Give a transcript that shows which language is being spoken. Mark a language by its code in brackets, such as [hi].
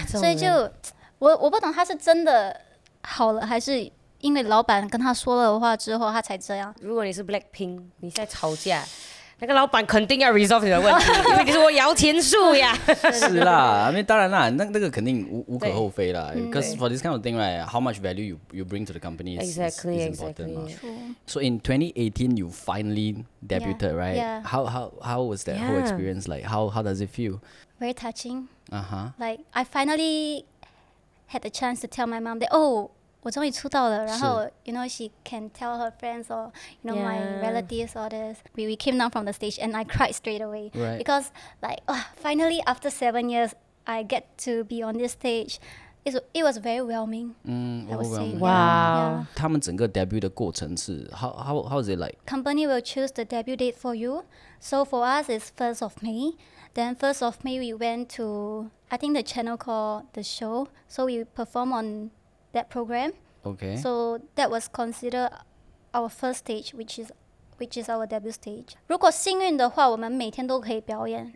[zh] 所以就我不懂他是真的好了，还是因为老板跟他说了话之后他才这样。如果你是 Blackpink， 你在吵架，那个老板肯定要 resolve 你的问题，因为你是我摇钱树呀。是啦，因为当然啦，那个肯定无可厚非啦。 [en] Because for this kind of thing, right, how much value you bring to the company is important. So in 2018, you finally debuted, yeah, right? Yeah. How was that whole experience like? How does it feel? Very touching. Uh-huh. Like I finally had the chance to tell my mom that 我终于出道了，然后 you know she can tell her friends or you know my relatives or this. We came down from the stage and I cried straight away because like finally after 7 years I get to be on this stage. It was very overwhelming. [zh] Wow. 他们整个 debut 的过程是 how is it like? [en] Company will choose the debut date for you. So for us it's 1st of May. Then 1st of May we went to I think the channel called the show. So we perform on. That program. Okay. So that was considered our first stage, which is our debut stage. [zh] 如果幸运的话，我们每天都可以表演。